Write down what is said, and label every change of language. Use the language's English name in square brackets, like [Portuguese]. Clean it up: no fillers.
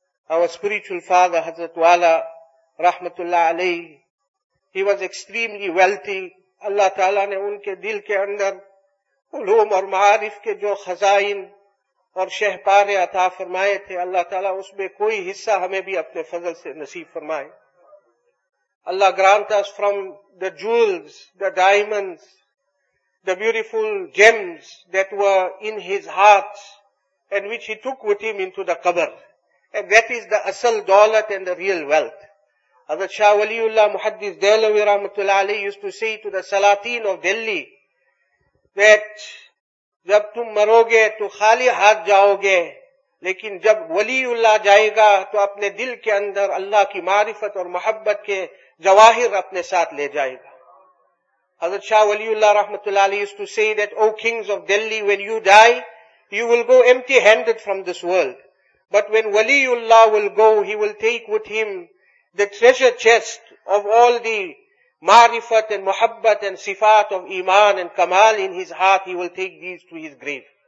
[English] Our spiritual father, حضرت والا رحمت اللہ علیہ, he was extremely wealthy. [Urdu] اللہ تعالیٰ نے ان کے دل کے اندر علوم اور معارف کے جو خزائن اور شہ پارے عطا فرمائے تھے, اللہ تعالیٰ اس میں کوئی حصہ ہمیں بھی اپنے فضل سے نصیب فرمائے. [English] Allah grant us from the jewels, the diamonds, the beautiful gems that were in his heart and which he took with him into the qabr. And that is the asal daulat and the real wealth. Hazrat Shah Waliullah Muhaddis Dehlawi Rahmatullah Alayhi used to say to the Salateen of Delhi, that [Urdu] جب تم مرو گے تو خالی ہاتھ جاؤ گے, لیکن جب ولی اللہ جائے گا تو اپنے دل کے اندر اللہ کی معرفت اور محبت کے جواہر اپنے ساتھ لے جائے گا. [English] حضرت شاہ ولی اللہ رحمت اللہ علیہ used to say that, O kings of Delhi, when you die, you will go empty-handed from this world. But when Wali Ullah will go, he will take with him the treasure chest of all the Marifat and muhabbat and sifat of iman and kamal in his heart, he will take these to his grave.